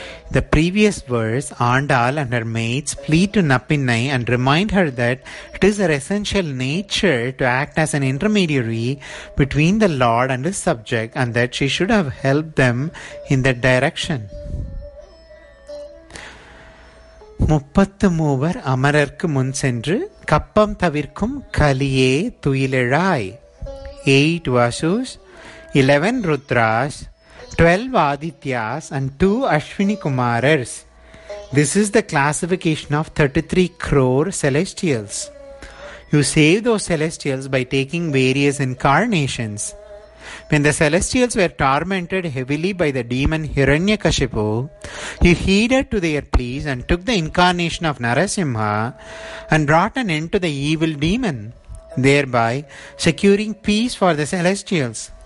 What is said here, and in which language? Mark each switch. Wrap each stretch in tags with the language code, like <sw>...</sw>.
<en>The previous verse, Andal and her maids plead to Nappinai and remind her that it is her essential nature to act as an intermediary between the Lord and His subject, and that she should have helped them in that direction.</en> <ta>முப்பத்து மூவர் அமரர்க்கு முன் சென்று கப்பம் தவிர்க்கும் கலியே துயிலெழாய்.</ta> <en>8 Vasus, 11 Rudras, 12 Adityas and 2 Ashwini குமாரர்ஸ். This is the classification of 33 crore celestials. You save those celestials by taking various incarnations. When the celestials were tormented heavily by the demon Hiranyakashipu, he heeded to their pleas and took the incarnation of Narasimha and brought an end to the evil demon, thereby securing peace for the celestials.</en>